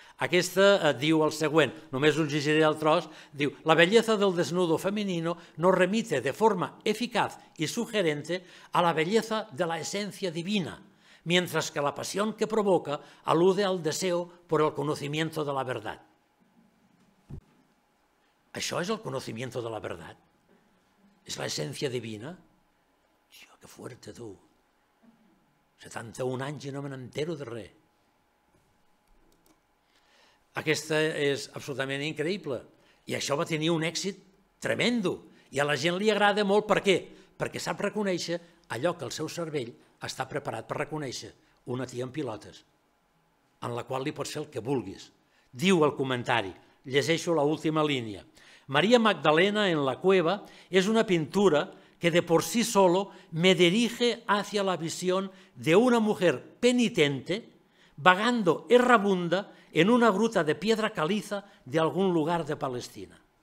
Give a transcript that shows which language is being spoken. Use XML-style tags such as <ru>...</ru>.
<ca>Aquesta diu el següent, només us llegiré el tros, diu:</ca> <es>la belleza del desnudo femenino nos remite de forma eficaz y sugerente a la belleza de la esencia divina, mientras que la pasión que provoca alude al deseo por el conocimiento de la verdad.</es> <ca>Això és</ca> <es>el conocimiento de la verdad. És la esencia divina. Tio, que fuerte tu.</es> <ca>71 anys i no me n'entero de res. Aquesta és absolutament increïble. I això va tenir un èxit tremendo. I a la gent li agrada molt. Per què? Perquè sap reconèixer allò que el seu cervell està preparat per reconèixer. Una tia amb pilotes, en la qual li pots fer el que vulguis. Diu el comentari, llegeixo l'última línia:</ca> <es>María Magdalena en la cueva és una pintura que de por sí solo me dirige hacia la visión de una mujer penitente vagando errabunda en una gruta de piedra caliza de algún lugar de Palestina.</es>